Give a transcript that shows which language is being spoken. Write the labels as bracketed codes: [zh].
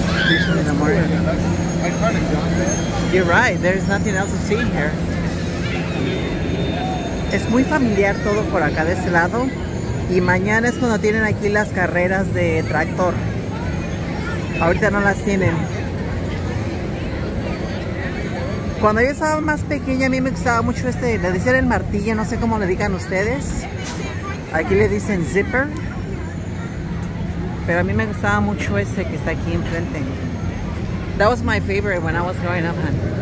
[en] Usually in the morning. You're right, there's nothing else to see here. [es] Es muy familiar todo por acá de este lado. Y mañana es cuando tienen aquí las carreras de tractor. Ahorita no las tienen. Cuando yo estaba más pequeña, a mí me gustaba mucho este, le decían el martillo, no sé cómo le digan ustedes. Aquí le dicen zipper. Pero a mí me gustaba mucho ese que está aquí enfrente. [en] That was my favorite when I was growing up, hon.